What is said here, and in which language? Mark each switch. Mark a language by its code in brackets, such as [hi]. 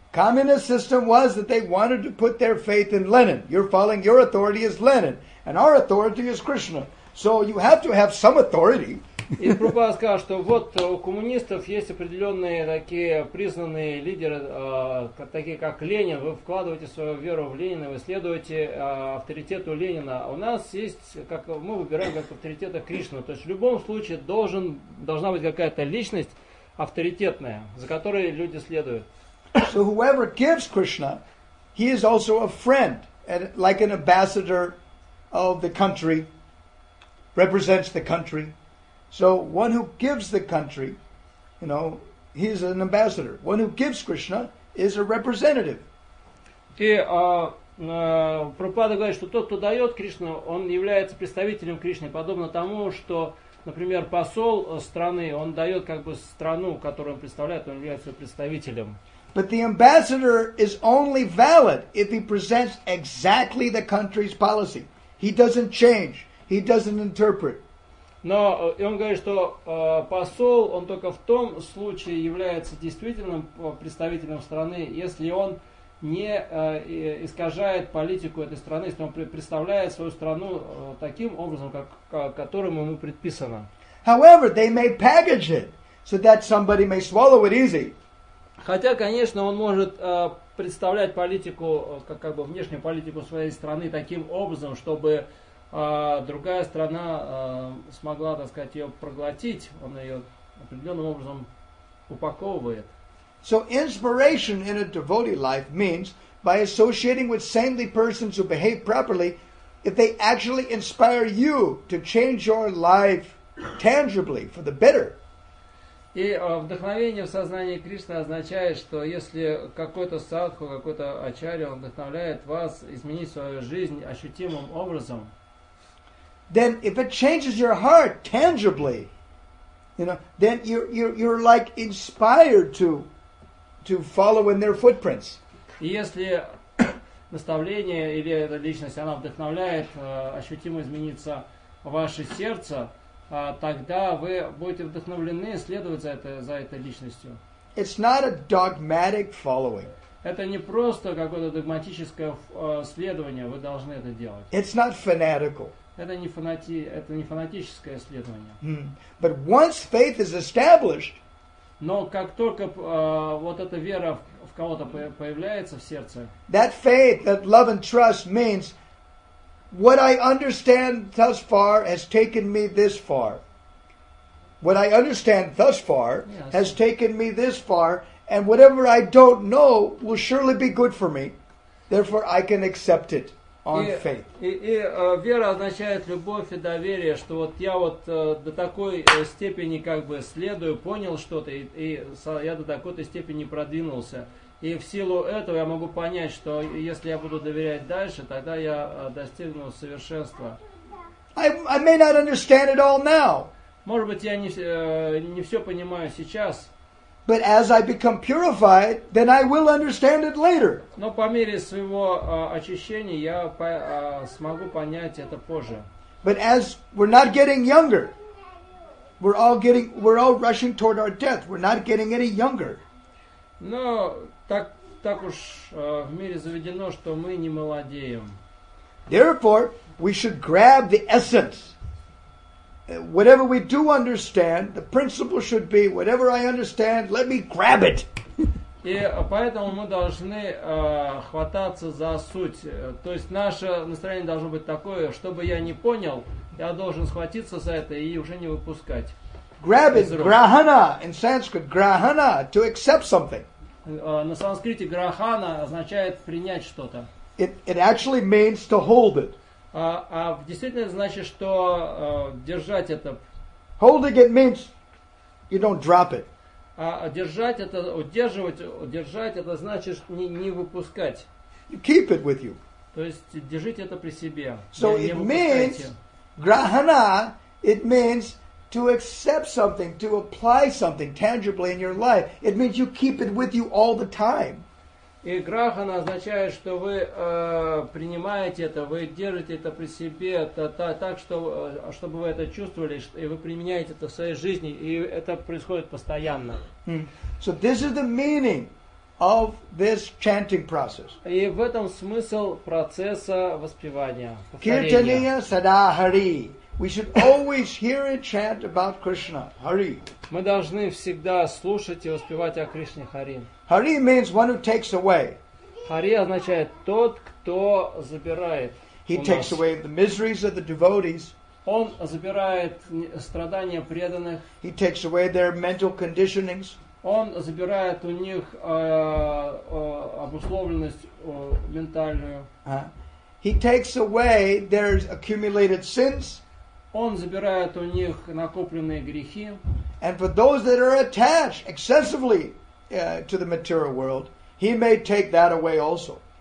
[en] Communist system was that they wanted to put their faith in Lenin. You're following your authority is Lenin, and our authority is Krishna. So you have to have some authority. [ru] И Прабхупада сказал, что вот у коммунистов есть определенные такие признанные лидеры, такие как Ленин. Вы вкладываете свою веру в Ленина, вы следуете авторитету Ленина. У нас есть, как мы выбираем как авторитета Кришну. То есть в любом случае должна быть какая-то личность авторитетная, за которой люди следуют. [en] So whoever gives Krishna, he is also a friend, like an ambassador of the country. Represents the country. So one who gives the country, you know, he is an ambassador. One who gives Krishna is a representative. [ru] И Прабхупада говорит, что тот, кто дает Кришну, он является представителем Кришны, подобно тому, что, например, посол страны, он дает как бы страну, которую он представляет, он является представителем. [en] But the ambassador is only valid if he presents exactly the country's policy. He doesn't change. He doesn't interpret. [ru] Но он говорит, что посол, он только в том случае является действительным представителем страны, если он не искажает политику этой страны, если он представляет свою страну таким образом, как, которым ему предписано. [en] However, they may package it so that somebody may swallow it easy. [ru] Хотя, конечно, он может представлять политику, как бы внешнюю политику своей страны таким образом, чтобы другая страна смогла, так сказать, ее проглотить. Он ее определенным образом упаковывает. [en] So inspiration in a devotee life means by associating with saintly persons who behave properly, if they actually inspire you to change your life tangibly for the better. [ru] И вдохновение в сознании Кришны означает, что если какой-то садху, какой-то ачарья, он вдохновляет вас изменить свою жизнь ощутимым образом, [en] then if it changes your heart tangibly, you know, then you're like inspired to follow in their footprints. [ru] И если наставление или эта личность, она вдохновляет ощутимо измениться ваше сердце, тогда вы будете вдохновлены следовать за этой личностью. [en] It's not a dogmatic following. [ru] Это не просто какое-то догматическое следование, вы должны это делать. [en] It's not fanatical. [ru] Это не фанатическое следование. [en] Mm. But once faith is established, [ru] но как только вот эта вера в кого-то появляется в сердце, [en] that faith, that love and trust means what I understand thus far has taken me this far. What I understand thus far has taken me this far, and whatever I don't know will surely be good for me. Therefore, I can accept it on faith. [ru] Вера означает любовь и доверие, что вот я вот до такой степени как бы следую, понял что-то, и я до такой-то степени продвинулся. И в силу этого я могу понять, что если я буду доверять дальше, тогда я достигну совершенства. [en] I may not understand it all now. [ru] Может быть, я не все понимаю сейчас. [en] But as I become purified, then I will understand it later. [ru] Но по мере своего очищения я смогу понять это позже. [en] But as we're not getting younger, we're all rushing toward our death. We're not getting any younger. [ru] Но так уж в мире заведено, что мы не молодеем. [en] Therefore, we should grab the essence. Whatever we do understand, the principle should be, whatever I understand, let me grab it. [ru] И поэтому мы должны хвататься за суть. То есть наше настроение должно быть такое, чтобы я не понял, я должен схватиться за это и уже не выпускать. [en] Grab it, grahana, in Sanskrit, grahana, to accept something. [ru] На санскрите грахана означает принять что-то. [en] It actually means to hold it. [ru] А в действительности значит, что держать это. [en] Holding it means you don't drop it. [ru] А держать это, удерживать это значит не выпускать. [en] You keep it with you. [ru] То есть держите это при себе. [en] So [ru] не [en] it means грахана, it means to accept something, to apply something tangibly in your life, it means you keep it with you all the time. [ru] И грахана означает, что вы принимаете это, вы держите это при себе, так что, чтобы вы это чувствовали, и вы применяете это в своей жизни, и это происходит постоянно. Hmm. [en] So this is the meaning of this chanting process. [ru] И в этом смысл процесса воспевания. [sa] Киртания садахари. [en] We should always hear and chant about Krishna. Hari. [ru] Мы должны всегда слушать и воспевать о Кришне Хари. [en] Hari means one who takes away. [ru] Хари означает тот, кто забирает. [en] He takes away the miseries of the devotees. [ru] Он забирает страдания преданных. [en] He takes away their mental conditionings. [ru] Он забирает у них обусловленность ментальную. [en] He takes away their accumulated sins. [ru] Он забирает у них накопленные грехи. [en] And for those that are attached excessively to the material world, he may take that away also.